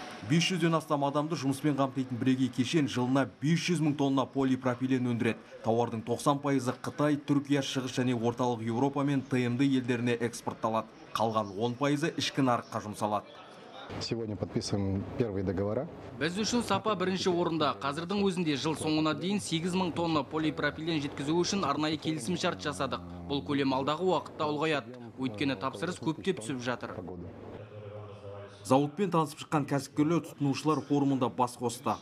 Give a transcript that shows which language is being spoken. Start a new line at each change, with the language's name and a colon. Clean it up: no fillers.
Kazakh: 500-ден астам адамды жұмыспен қамтитын бірегей кешен жылына 500 мың тонна полипропилен өндіреді. Тауардың 90% Қытай, Түркия, Шығыс және Орталық Еуропа мен ТМД елдеріне экспортталады. Қалған 10% ішкі нарыққа жұмсалады.
Russian: Сегодня подписываем первые договора.
Kazakh: Біз үшін сапа бірінші орында. Қазірдің өзінде жыл соңына дейін 8 мың тонна полипропилен жеткізу үшін арнайы келісім шарт жасадық. Бұл көлем алдағы уақытта ұлғаяды. Өйткені тапсырыс көптеп түсіп жатыр. Зауытпен танысып шыққан кәсіпкерлер тұтынушылар форумында бас қосты.